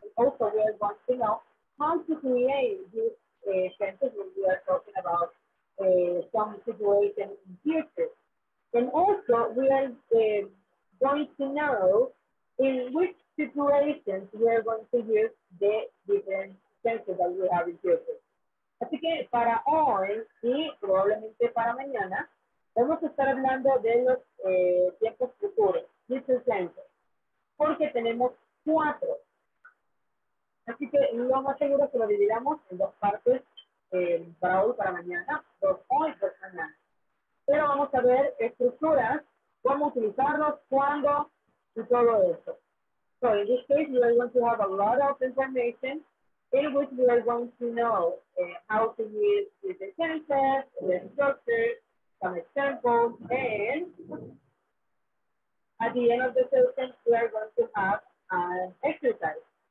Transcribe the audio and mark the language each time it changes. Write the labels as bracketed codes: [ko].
[en] Also, we are going to know how to create these tenses when we are talking about some situation in future. And also, we are going to know in which situations we are going to use the different tenses that we have in future. [es] Así que para hoy y probablemente para mañana, vamos a estar hablando de los tiempos futuros, [en] future tenses, [es] porque tenemos cuatro. Así que lo más seguro es que lo dividamos en dos partes, para hoy, para mañana, dos hoy, dos mañana. Pero vamos a ver estructuras, cómo utilizarlos, cuándo y todo eso. [en] So in this case, we are going to have a lot of information in which we are going to know how to use future tenses, the structure, some examples, and at the end of the session, we are going to have an exercise.